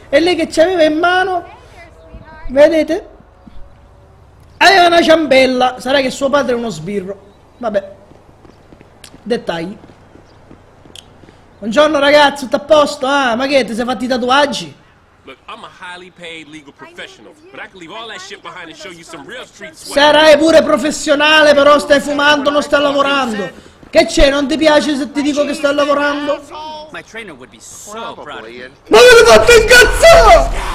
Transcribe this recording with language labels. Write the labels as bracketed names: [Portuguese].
[Italian] E lei che c'aveva in mano, vedete? Aveva una ciambella. Sarà che suo padre è uno sbirro. Vabbè. Dettagli. Buongiorno ragazzo, tutto a posto? Ah, ma che, ti sei fatti i tatuaggi? [English] Look, I'm a highly paid legal professional, but I can leave all that shit behind and show you some real street sweat. [Italian] Sarai pure professionale, però stai fumando, non stai lavorando. Che c'è? Non ti piace se ti dico che stai lavorando? [English] My trainer would be so proud of you. [Italian] Ma mi avete fatto incazzare!